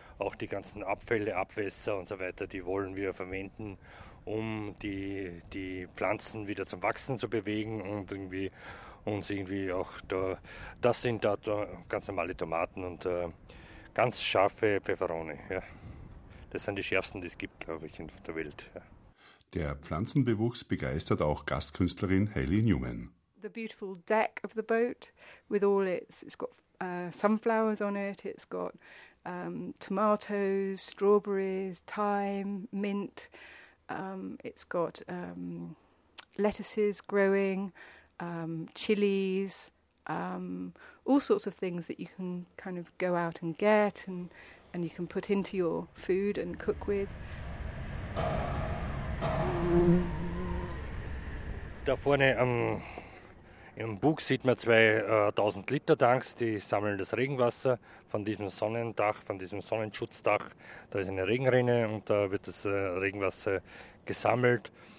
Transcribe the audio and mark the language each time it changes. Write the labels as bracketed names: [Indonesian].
[German] Auch die ganzen Abfälle, Abwässer und so weiter, die wollen wir verwenden, um die Pflanzen wieder zum Wachsen zu bewegen und irgendwie uns irgendwie auch da. Das sind da ganz normale Tomaten und ganz scharfe Peperoni. Ja. Das sind die schärfsten, die es gibt, glaube ich, auf der Welt. Ja. Der Pflanzenbewuchs begeistert auch Gastkünstlerin Helly Newman. [English] The beautiful deck of the boat with all it's got sunflowers on it, it's got tomatoes, strawberries, thyme, mint, it's got lettuces growing, chilies, all sorts of things that you can kind of go out and get and you can put into your food and cook with. [German] Da vorne im Bug sieht man 2000 Liter Tanks, die sammeln das Regenwasser von diesem Sonnendach, von diesem Sonnenschutzdach. Da ist eine Regenrinne und da wird das Regenwasser gesammelt.